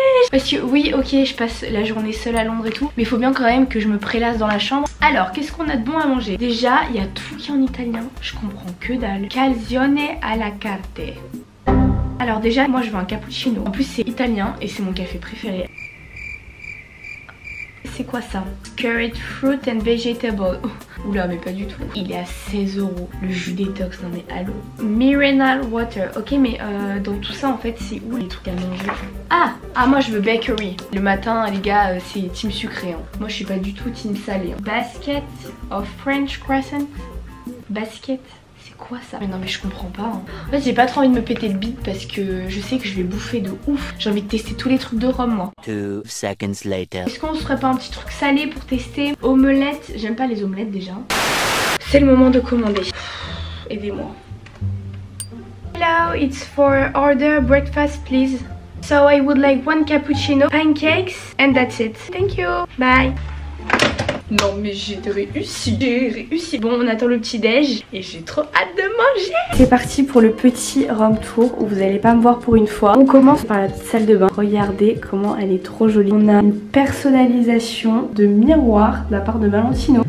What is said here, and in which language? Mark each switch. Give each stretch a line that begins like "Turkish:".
French: Parce que oui, ok, je passe la journée seule à Londres et tout, mais il faut bien quand même que je me prélasse dans la chambre. Alors, qu'est-ce qu'on a de bon à manger? Déjà, il y a tout qui est en italien, je comprends que dalle. Calzone alla carte. Alors déjà, moi je veux un cappuccino. En plus, c'est italien et c'est mon café préféré. C'est quoi ça?
English: Curried fruit and vegetable.
French: Oula, mais pas du tout. Il est à 16€. Le jus détox, non mais allô.
English: Mineral water.
French: Ok, mais dans tout ça, en fait, c'est où les trucs à manger? Ah, ah, moi je veux bakery. Le matin, les gars, c'est team sucré. Hein. Moi, je suis pas du tout team salé. Hein.
English: Basket of French croissant.
French: Basket. Quoi ça? Mais non mais je comprends pas hein. En fait j'ai pas trop envie de me péter le bide parce que je sais que je vais bouffer de ouf. J'ai envie de tester tous les trucs de Rome moi.
English: 2 seconds later.
French: Est-ce qu'on se ferait pas un petit truc salé pour tester? Omelette, j'aime pas les omelettes déjà. C'est le moment de commander. Aidez-moi.
English: Hello, it's for order breakfast please. So I would like one cappuccino, pancakes and that's it. Thank you, bye.
French: Non mais j'ai réussi, j'ai réussi. Bon, on attend le petit déj et j'ai trop hâte de manger. C'est parti pour le petit Rome tour où vous allez pas me voir pour une fois. On commence par la petite salle de bain. Regardez comment elle est trop jolie. On a une personnalisation de miroir de la part de Valentino.